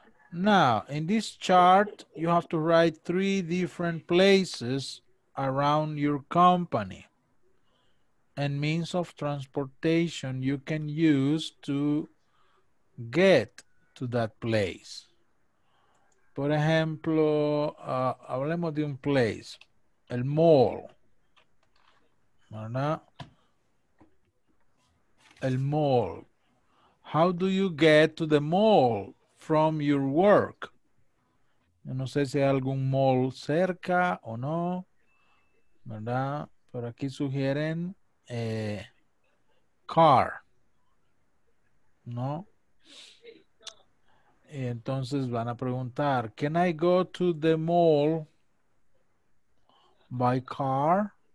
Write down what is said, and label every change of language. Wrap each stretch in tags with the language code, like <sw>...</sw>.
<en>Now, in this chart, you have to write three different places around your company and means of transportation you can use to get to that place.</en> <es>Por ejemplo, hablemos de un place, el mall. ¿Verdad? El mall.</es> <en>How do you get to the mall from your work?</en> <es>Yo no sé si hay algún mall cerca o no, ¿verdad? Pero aquí sugieren car, ¿no? Y entonces van a preguntar,</es> <en>can I go to the mall by car?</en>